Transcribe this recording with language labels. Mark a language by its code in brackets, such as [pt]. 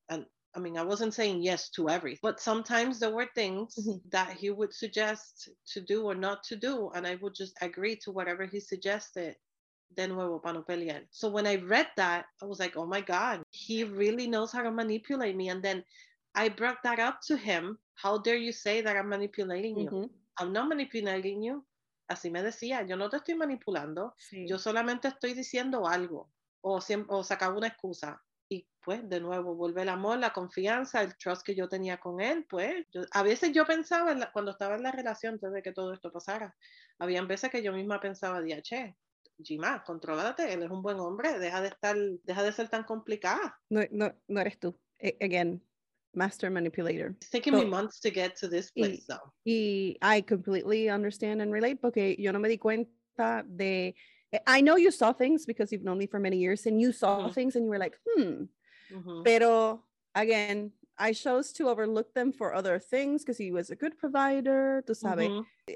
[en] And I mean, I wasn't saying yes to everything, but sometimes there were things that he would suggest to do or not to do, and I would just agree to whatever he suggested. Then we were panopelian. So when I read that, I was like, oh my God, he really knows how to manipulate me. And then I brought that up to him. How dare you say that I'm manipulating mm-hmm. you? I'm not manipulating you. [es] Así me decía, yo no te estoy manipulando. Sí. Yo solamente estoy diciendo algo o sacaba una excusa. Y pues, de nuevo, vuelve el amor, la confianza, el trust que yo tenía con él, pues. Yo, a veces yo pensaba, cuando estaba en la relación, antes de que todo esto pasara, habían veces que yo misma pensaba, che, Gima, contrólate, él es un buen hombre, deja de ser tan complicada. No eres tú. Again, master manipulator. [en] It's taking me months to get to this place, though. [es] Y I completely understand and relate, porque yo no me di cuenta de... [en] I know you saw things because you've known me for many years and you saw mm-hmm. things and you were like, mm-hmm. Pero again, I chose to overlook them for other things because he was a good provider, tú sabes. Mm-hmm.